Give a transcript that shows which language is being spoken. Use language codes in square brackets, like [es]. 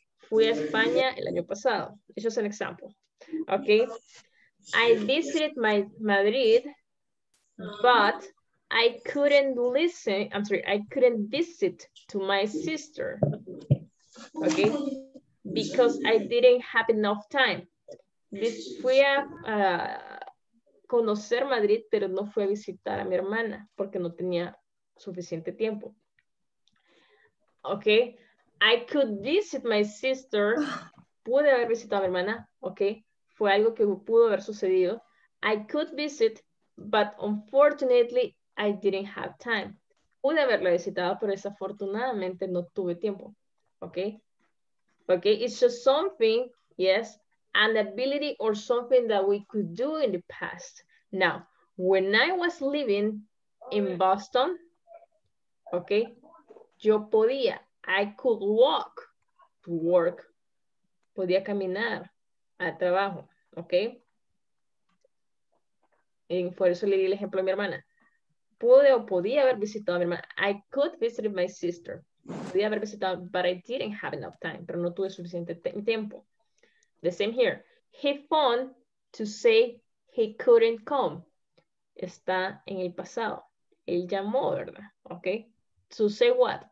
[es] Fui a España el año pasado. [en] It's just an example. Okay, I visited my Madrid, but I couldn't visit to my sister, okay, because I didn't have enough time. [es] Fui a conocer Madrid, pero no fui a visitar a mi hermana porque no tenía suficiente tiempo. [en] Okay, I could visit my sister. [es] Pude haber visitado a mi hermana, okay, fue algo que pudo haber sucedido. [en] I could visit, but unfortunately, I didn't have time. [es] Pude haberla visitado, pero desafortunadamente no tuve tiempo. [en] Okay? Okay, it's just something, yes, an ability or something that we could do in the past. Now, when I was living in Boston, okay, [es] yo podía, [en] I could walk to work. [es] Podía caminar al trabajo, okay? Y por eso le di el ejemplo a mi hermana. Pude o podía haber visitado a mi hermana. [en] I could visit my sister. [es] Podía haber visitado, [en] but I didn't have enough time. [es] Pero no tuve suficiente tiempo. [en] The same here. He phoned to say he couldn't come. [es] Está en el pasado. Él llamó, ¿verdad? [en] Okay. To say what?